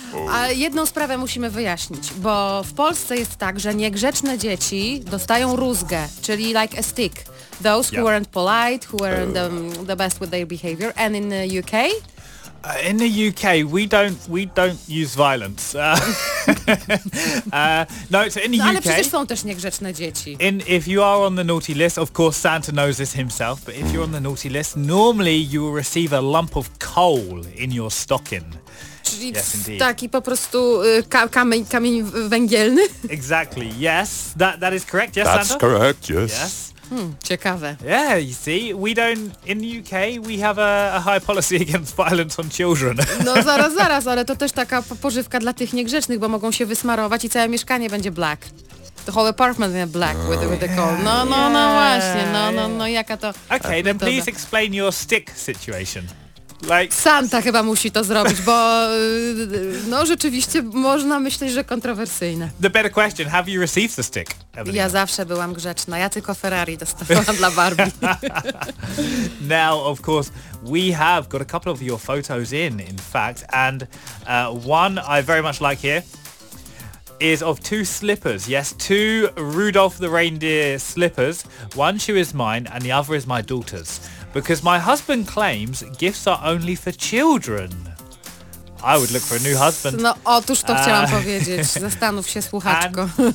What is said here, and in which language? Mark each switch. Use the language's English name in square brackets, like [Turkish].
[Polish] A jedną sprawę musimy wyjaśnić, bo w Polsce jest tak, że niegrzeczne dzieci dostają rózgę, czyli [English] like a stick. Those who weren't polite, who weren't the best with their behavior. And in the UK? In the UK, we don't use violence. [Polish] Ale przecież są też niegrzeczne dzieci. [English] If you are on the naughty list, of course Santa knows this himself, but if you're on the naughty list, normally you will receive a lump of coal in your stocking. [Polish] Czyli taki po prostu kamień węgielny? [English] Exactly, yes. That is correct, yes, That's Santa? That's correct, yes. Yes. [Polish] Ciekawe. [English] Yeah, you see, we don't, in the UK, we have a high policy against violence on children. [Polish] No zaraz, ale to też taka pożywka dla tych niegrzecznych, bo mogą się wysmarować i całe mieszkanie będzie black. [English] The whole apartment in black with the coal. [Polish] No, właśnie, jaka to... [English] Okay, then please explain your stick situation. Like... [Polish] Santa chyba musi to zrobić, bo no rzeczywiście można myśleć, że kontrowersyjne. [English] The better question, have you received the stick? [Polish] Ja zawsze byłam grzeczna, ja tylko Ferrari dostawałam dla Barbie. [English] Now, of course, we have got a couple of your photos in fact, and one I very much like here is of two slippers. Yes, two Rudolph the Reindeer slippers. One shoe is mine and the other is my daughter's. Because my husband claims gifts are only for children. I would look for a new husband. [Polish] No otóż to chciałam powiedzieć. Zastanów się, słuchaczko.